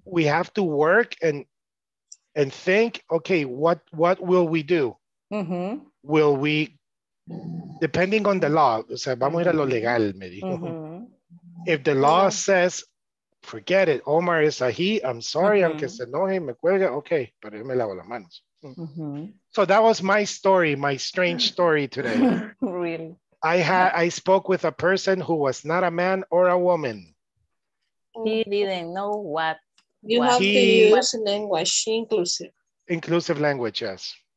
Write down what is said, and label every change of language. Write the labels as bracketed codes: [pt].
[en] We have to work and think, okay, what will we do? Mm-hmm. Will we, depending on the law, [es] o sea, vamos a ir a lo legal, me dijo. Mm-hmm. [en] If the law says, forget it, Omar is a he, I'm sorry, mm-hmm. [es] aunque se enoje, me cuelga, okay, pero yo me lavo las manos. Mm-hmm. [en] So that was my story, my strange story today. Really? I spoke with a person who was not a man or a woman. He didn't know what. You what. Have to use language, inclusive. Inclusive language, yes.